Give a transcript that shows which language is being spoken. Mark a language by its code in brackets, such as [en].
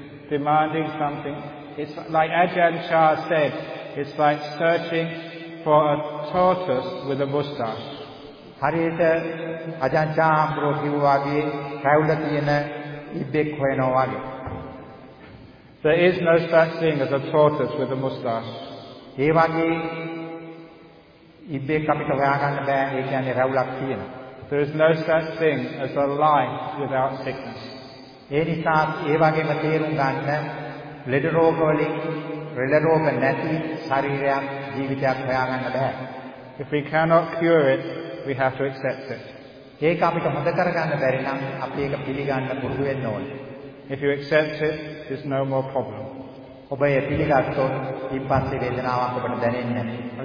[en] Demanding something. It's like Ajahn Chah said, it's like searching for a tortoise with a moustache. [si] හරියට අජන් චා අම්බරෝ කිව්වා වගේ කැවුල තියෙන ඉබ්බෙක් හොයනවා වගේ. [en] There is no such thing as a tortoise with a moustache. [si] ඒ වගේ ඉබ්බෙක් අපිට හොයාගන්න බෑ. ඒ කියන්නේ රැවුලක් තියෙන. [en] There is no such thing as a life without sickness. [si] ඒ නිසා ඒ වගේම තේරුම් ගන්න ලෙඩ රෝග වලින් ලෙඩ රෝග නැති ශරීරයක් ජීවිතයක් හොයාගන්න බෑ. [en] If we cannot cure it, we have to accept it. [si] ඒක අපිට හොද කරගන්න බැරි නම් අපි ඒක පිළිගන්න පුරුදු වෙන්න ඕනේ. [en] If you accept it, there's no more problem. [si] ඔබ ඒ පිළිගත්තොත් ඉපස්සේ වේදනාවක් ඔබට දැනෙන්නේ නැහැ.